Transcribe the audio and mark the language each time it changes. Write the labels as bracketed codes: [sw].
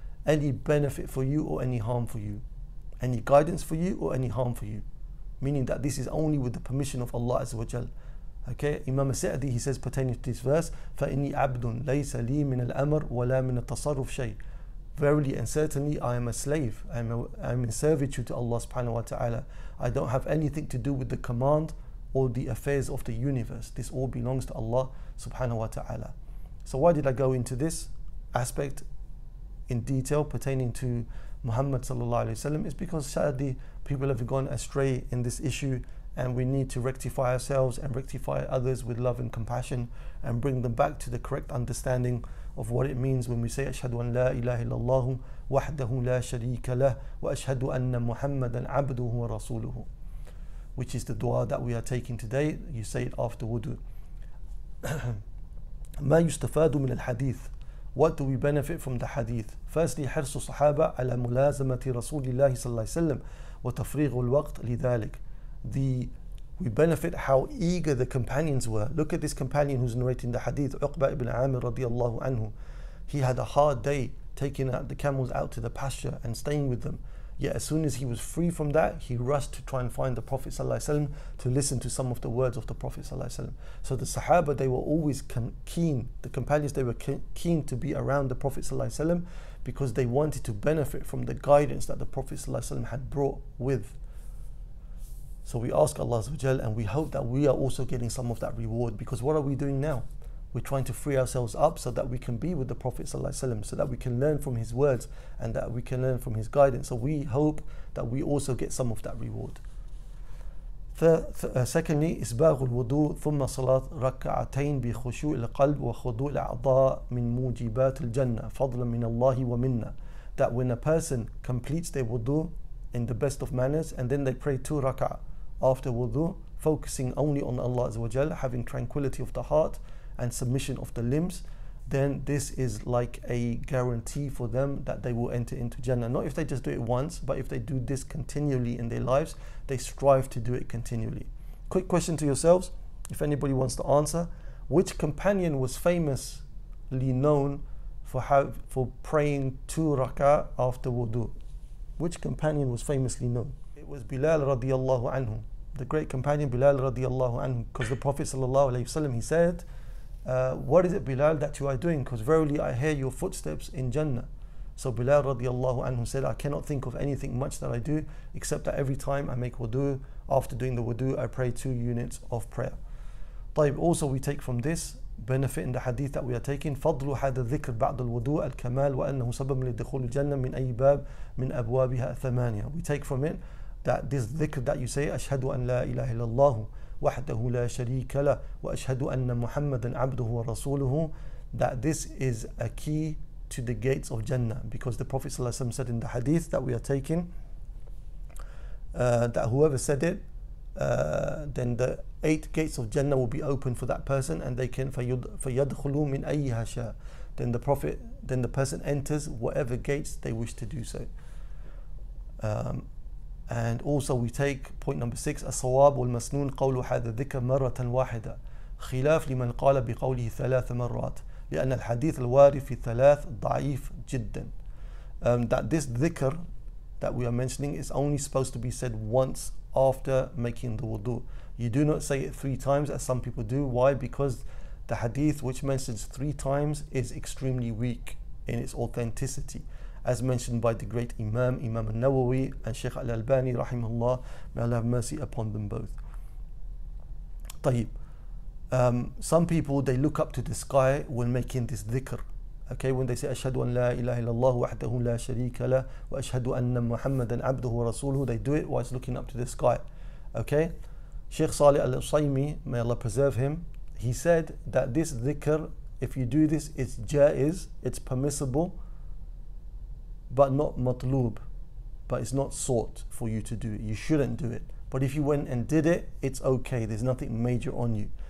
[en] any benefit for you or any harm for you, any guidance for you or any harm for you. Meaning that this is only with the permission of Allah Azza wa Jal. Okay, Imam Sa'di, he says pertaining to this verse, [ar] فَإِنِّي عَبْدٌ لَيْسَ لِي مِنَ الْأَمَرِ وَلَا مِنَ التَّصَرُّفْ شَيْءٍ. [en] Verily and certainly I am a slave, I am in servitude to Allah subhanahu wa ta'ala. I don't have anything to do with the command or the affairs of the universe. This all belongs to Allah subhanahu wa ta'ala. So why did I go into this aspect in detail pertaining to Muhammad sallallahu alayhi wa sallam? It's because sadly people have gone astray in this issue, and we need to rectify ourselves and rectify others with love and compassion and bring them back to the correct understanding of what it means when we say [ar] أشهد أن لا إله إلا الله وحده لا شريك له وأشهد أن محمدا عبده ورسوله, [en] which is the dua that we are taking today. You say it after wudu. [ar] ما يستفاد من الحديث. [en] What do we benefit from the hadith? [ar] Firstly, حرص الصحابة على ملازمة رسول الله صلى الله عليه وسلم وتفريغ الوقت لذلك. [en] We benefit how eager the companions were. Look at this companion who's narrating the hadith, Uqba ibn Amir radiallahu anhu. He had a hard day taking the camels out to the pasture and staying with them. Yet as soon as he was free from that, he rushed to try and find the Prophet sallallahu alaihi wasallam to listen to some of the words of the Prophet sallallahu alaihi wasallam. So the Sahaba, they were always keen. The companions, they were keen to be around the Prophet sallallahu alaihi wasallam because they wanted to benefit from the guidance that the Prophet sallallahu alaihi wasallam had brought with. So we ask Allah Azza wa Jal, and we hope that we are also getting some of that reward, because what are we doing now? We're trying to free ourselves up so that we can be with the Prophet Sallallahu Alaihi Wasallam, so that we can learn from his words and that we can learn from his guidance. So we hope that we also get some of that reward. [ar] Secondly, إسباغ الوضوء ثم صلاة ركعتين بخشوع القلب وخضوع الأعضاء من موجبات الجنة فضلا من الله ومنا. [en] That when a person completes their wudu in the best of manners and then they pray two rak'ah after wudu, focusing only on Allah Azza wa Jal, having tranquility of the heart and submission of the limbs, then this is like a guarantee for them that they will enter into Jannah. Not if they just do it once, but if they do this continually in their lives, they strive to do it continually. Quick question to yourselves, if anybody wants to answer, which companion was famously known for praying two rak'ah after wudu? Which companion was famously known? It was Bilal radiallahu anhu, the great companion Bilal radiallahu anhu, because the Prophet sallallahu alayhi wasallam, he said, what is it, Bilal, that you are doing? Because verily I hear your footsteps in Jannah. So Bilal radiallahu anhu said, I cannot think of anything much that I do, except that every time I make wudu, after doing the wudu, I pray two units of prayer. [ar] طيب, [en] also we take from this benefit in the hadith that we are taking, [ar] فضل هذا الذكر بعد الوضوء الكمال وأنه سبب لدخول الجنة من أي باب من أبوابها ثمانية. [en] We take from it that this dhikr that you say, [ar] أشهد أن لا إله إلا الله وحده لا شريك له وأشهد أن محمدا عبده ورسوله, [en] that this is a key to the gates of Jannah, because the Prophet صلى الله عليه وسلم said in the hadith that we are taking, that whoever said it, then the eight gates of Jannah will be open for that person, and they can [ar] فَيَدْخُلُوا مِنْ أَيِّهَا شَاءَ. [en] Then the Prophet, then the person enters whatever gates they wish to do so. And also we take point number six, [ar] الصواب والمسنون قول هذا الذكر مرة واحدة خلاف لمن قال بقوله ثلاث مرات لأن الحديث الوارد في ثلاث ضعيف جدا. [en] That this dhikr that we are mentioning is only supposed to be said once after making the wudu. You do not say it three times as some people do. Why? Because the hadith which mentions three times is extremely weak in its authenticity, as mentioned by the great Imam, Imam al-Nawawi and Shaykh al-Albani rahimahullah, may Allah have mercy upon them both. Tayyib, some people, they look up to the sky when making this dhikr. Okay, when they say [ar] أَشْهَدُ أَنْ لَا إِلَهِ إِلَّا وَحْدَهُ لَا شَرِيكَ لَهُ وَأَشْهَدُ أَنَّ مُحَمَّدًا عَبْدُهُ وَرَسُولُهُ, [en] they do it whilst looking up to the sky. Okay, Shaykh Salih al-Usaymi, may Allah preserve him, he said that this dhikr, if you do this, it's jaiz, it's permissible, but not matlub, but it's not sought for you to do it. You shouldn't do it. But if you went and did it, it's okay, there's nothing major on you.